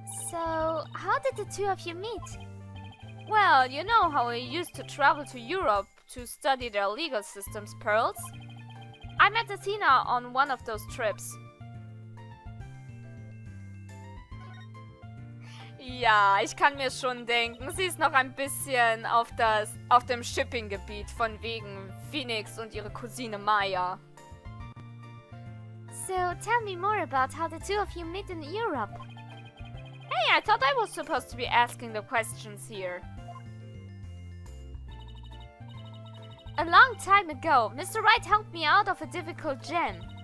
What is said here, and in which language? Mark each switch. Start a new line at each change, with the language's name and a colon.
English: So, how did the two of you meet? Well, you know how we used to travel to Europe to study their legal systems, Pearls. I met Athena on one of those trips.
German: Ja, ich kann mir schon denken, sie ist noch ein bisschen auf dem Shipping-Gebiet von wegen Phoenix und ihre Cousine Maya.
English: So, tell me more about how the two of you met in Europe. Hey, I thought I was supposed to be asking the questions here. A long time ago, Mr. Wright helped me out of a difficult jam.